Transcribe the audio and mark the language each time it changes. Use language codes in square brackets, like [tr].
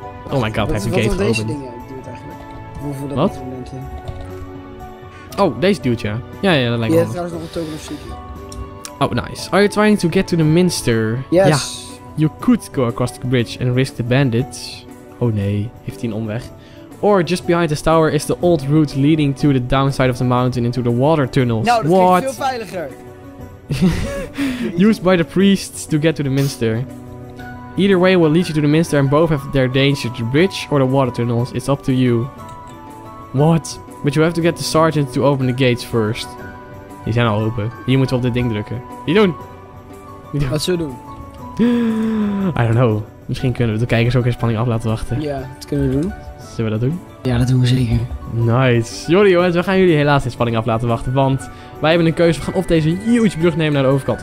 [nl] Oh my god, hij heeft de gate geopend. Wat deze dingen doet eigenlijk? Wat? Oh, deze duwt ja. Ja, ja, dat lijkt je wel. Je hebt trouwens nog een token of seeking. Oh, nice. [en] Are you trying to get to the minster? Yes. [nl] Ja. [en] You could go across the bridge and risk the bandits. [nl] Oh nee, heeft hij een omweg. [en] Or just behind this tower is the old route leading to the downside of the mountain into the water tunnels. [nl] Nou, dat [en] what? [nl] Klinkt veel veiliger. [en] used by the priests to get to the minster. Either way will lead you to the minster and both have their danger, the bridge or the water tunnels. It's up to you. What? But you have to get the sergeant to open the gates first. [nl] Die zijn al open. Hier moeten we op dit ding drukken. Die doen! Die doen. Wat zullen we doen? [en] I don't know. [nl] Misschien kunnen we de kijkers ook in spanning af laten wachten. Ja, dat kunnen we doen. Zullen we dat doen? Ja, dat doen we zeker. Nice. Sorry jongens, we gaan jullie helaas in spanning af laten wachten. Want wij hebben een keuze. We gaan of deze huge brug nemen naar de overkant.